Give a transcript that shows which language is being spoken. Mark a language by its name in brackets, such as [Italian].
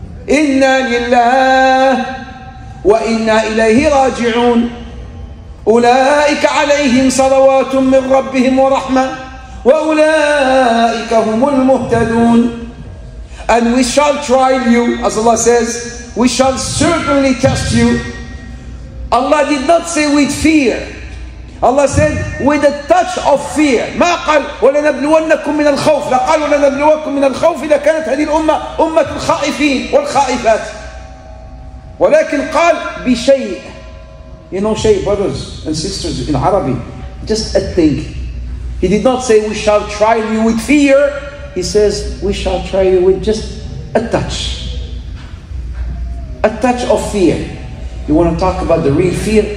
[Arabic] إِنَّا لِلَّهِ وَإِنَّا إِلَيْهِ رَاجِعُونَ أُولَئِكَ عَلَيْهِمْ صَلَوَاتٌ مِنْ رَبِّهِمْ وَرَحْمَةٌ وَأُولَٰئِكَ هُمُ الْمُهْتَدُونَ [English] And we shall trial you, as Allah says, we shall certainly test you. Allah did not say with fear. Allah said, with a touch of fear. [Arabic] ما قال ولنبلونكم من الخوف. لا قال ولنبلونكم من الخوف إذا كانت هذه الأمة أمة الخائفين والخائفات. ولكن قال بشيء. [English] You know, شيء, brothers and sisters in Arabic, just a thing. He did not say, we shall try you with fear. He says, we shall try you with just a touch. A touch of fear. You want to talk about the real fear?